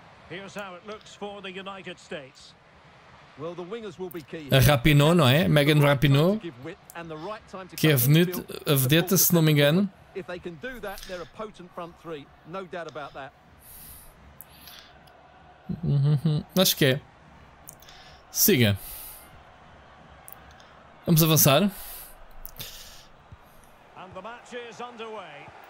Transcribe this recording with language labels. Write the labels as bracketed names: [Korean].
[English] Here's how it looks for the United States. Well, the wingers will be key. A Rapinoe, [Portuguese] não é? [English] Megan Rapinoe. [Portuguese] Que é a vedeta, se não me engano. [English] If they can do that, they're a potent front three. No doubt about that. [Portuguese] Acho que é. Siga. Vamos avançar. [English] And the match is underway.